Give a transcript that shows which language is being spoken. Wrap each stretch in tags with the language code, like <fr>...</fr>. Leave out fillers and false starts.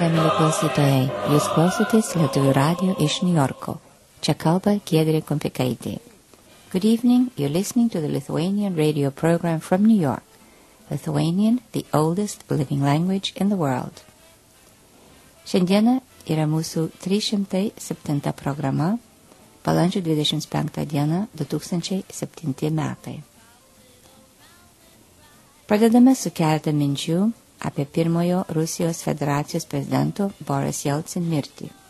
<lt>klausytojai, jūs klausotės Lietuvių radio iš Niujorko. Čia kalba Giedrė Kompikaitė.</lt> <en>Good evening, you're listening to the Lithuanian radio program from New York. Lithuanian, the oldest living language in the world.</en> <lt>Šiandiena yra mūsų 307 programa, balandžio 25 diena 2007 metai. Pradedame su keletą minčių apie pirmojo Rusijos federacijos prezidento Boris Jeltsin mirtį.</lt>